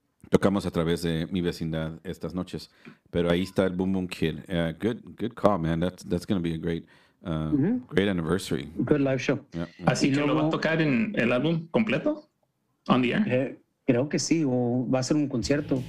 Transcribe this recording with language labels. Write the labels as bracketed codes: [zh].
[es] tocamos a través de mi vecindad estas noches, pero ahí está el Boom Boom Kid. [en] Good call, man. That's going to be a great great anniversary. Good live show. [es] Yeah. Así que lo va a tocar en el álbum completo [en] on the air. [es] Creo que sí, o va a ser un concierto.